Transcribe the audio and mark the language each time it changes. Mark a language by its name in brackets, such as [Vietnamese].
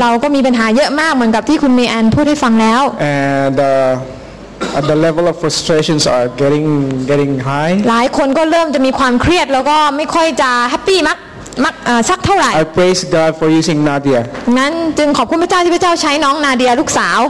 [Thai] เราก็มีปัญหาเยอะมากเหมือนกับที่คุณ May Ann พูดให้ฟังแล้ว [English] And the level of frustrations are getting high. [Thai] หลายคนก็เริ่มจะมีความเครียดแล้วก็ไม่ค่อยจะแฮปปี้มักสักเท่าไหร่ [English] I praise God for using Nadia. [Thai] งั้นจึงขอบคุณพระเจ้าที่พระเจ้าใช้น้องนาเดียลูกสาว